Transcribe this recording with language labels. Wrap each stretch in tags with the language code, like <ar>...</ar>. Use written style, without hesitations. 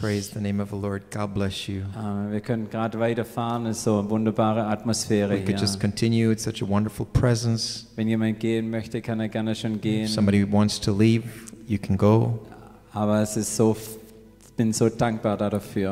<en>Praise the name of the Lord, God bless you.</en> <de>Wir können gerade weiterfahren, es ist so eine wunderbare Atmosphäre hier.</de> <en>We could just continue, it's such a wonderful presence.</en> <de>Wenn jemand gehen möchte, kann er gerne schon gehen.</de> <en>If somebody wants to leave, you can go.</en> <de>Aber es ist so, bin so dankbar dafür.</de>